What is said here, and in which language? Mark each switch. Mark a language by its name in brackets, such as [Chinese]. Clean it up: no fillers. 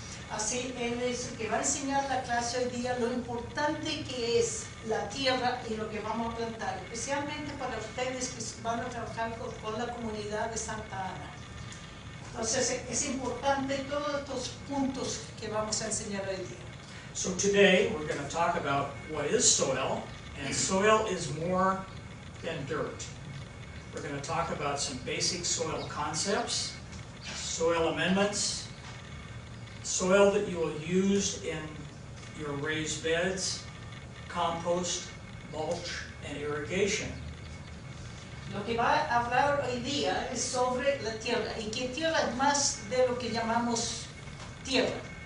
[Spanish] Así, él es el que va a enseñar la clase hoy día lo importante que es la tierra y lo que vamos a plantar, especialmente para ustedes que van a trabajar con la comunidad de Santa Ana. Entonces, es importante todos estos puntos que vamos a enseñar hoy día. [English] So today, we're going to talk about what is soil, and soil is more than dirt. We're going to talk about some basic soil concepts, soil amendments, soil that you will use in your raised beds, compost, mulch, and irrigation. [Spanish] Lo que va a hablar hoy día es sobre la tierra, y que tierra es más de lo que llamamos tierra.